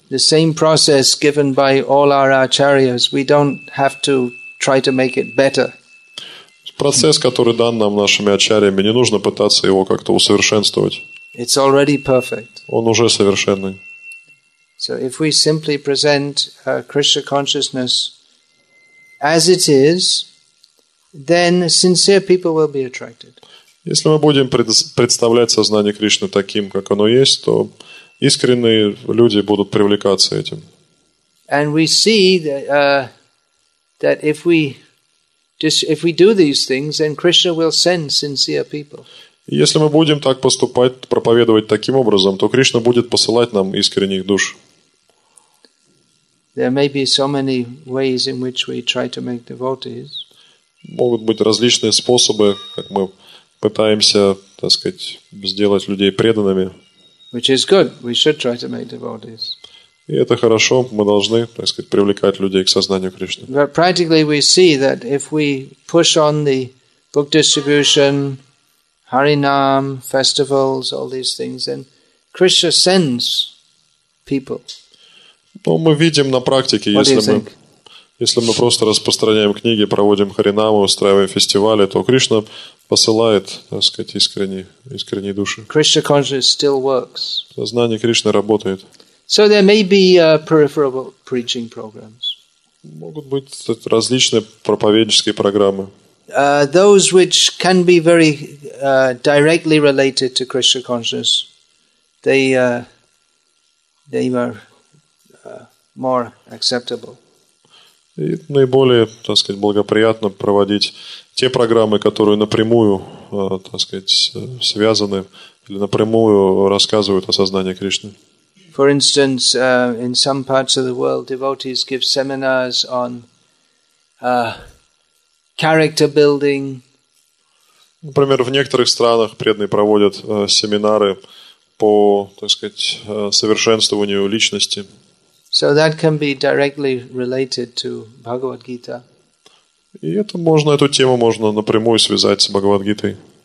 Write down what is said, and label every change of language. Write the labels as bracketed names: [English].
[English] The same process given by all our acharyas, we don't have to try to make it better. [Russian] Процесс, который дан нам нашими ачарьями, не нужно пытаться его как-то усовершенствовать. [English] It's already perfect. [Russian] Он уже совершенный. [English] So if we simply present Krishna consciousness as it is, then sincere people will be attracted. [Russian] Если мы будем представлять сознание Кришны таким, как оно есть, то искренние люди будут привлекаться этим. [English] And we see that if we do these things, then Krishna will send sincere people. [Russian] Если мы будем так поступать, проповедовать таким образом, то Кришна будет посылать нам искренних душ. [English] There may be so many ways in which we try to make devotees. [Russian] Могут быть различные способы, как мы пытаемся, так сказать, сделать людей преданными. [English] Which is good. We should try to make devotees. [Russian] И это хорошо, мы должны, так сказать, привлекать людей к сознанию Кришны. [English] But practically we see that if we push on the book distribution, Harinam, festivals, all these things, then Krishna sends people. [Russian] Ну, мы видим на практике, если мы просто распространяем книги, проводим харинамы, устраиваем фестивали, то Кришна посылает, так сказать, искренние души. [English] Krishna consciousness still works. [Russian] Сознание Кришны работает. [English] So there may be peripheral preaching programs. [Russian] Могут быть различные проповеднические программы. [English] Those which can be very directly related to Krishna consciousness, they are more acceptable. [Russian] И наиболее, так сказать, благоприятно проводить те программы, которые напрямую, так сказать, связаны или напрямую рассказывают о сознании Кришны. [English] For instance, in some parts of the world, devotees give seminars on character building. [Russian] Например, в некоторых странах преданные проводят семинары по, так сказать, совершенствованию личности. [English] So that can be directly related to Bhagavad Gita. [Russian] И это можно, эту тему можно напрямую связать с Бхагавад Гитой.